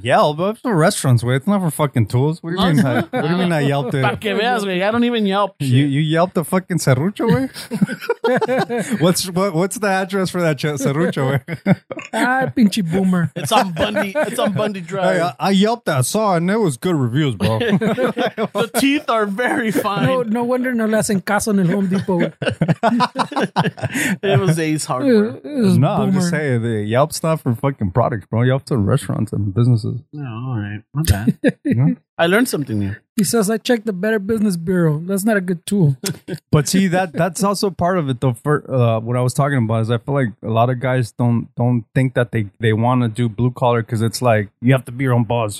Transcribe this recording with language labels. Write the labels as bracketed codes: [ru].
[en] Yell, but it's for restaurants, wait. It's not for fucking tools. What do you mean? What do you mean I yelped it? [es] Para que veas, wey. [en] I don't even yelp. You yelped the fucking serrucho, wey? what's the address for that serrucho, wey? [es] Ah, pinche boomer. [en] It's on Bundy Drive. Hey, I yelped that saw, and it was good reviews, bro. The teeth are very fine. No wonder [es] no le hacen caso en el [en] Home Depot. It was Ace Hardware. No, boomer. I'm just saying the Yelp stuff for fucking products, bro. Yelp to restaurants and businesses. Yeah, all right. My bad. Yeah. I learned something new. He says I checked the Better Business Bureau. That's not a good tool. But see, that's also part of it though. For what I was talking about is I feel like a lot of guys don't think that they want to do blue collar because it's like you have to be your own boss.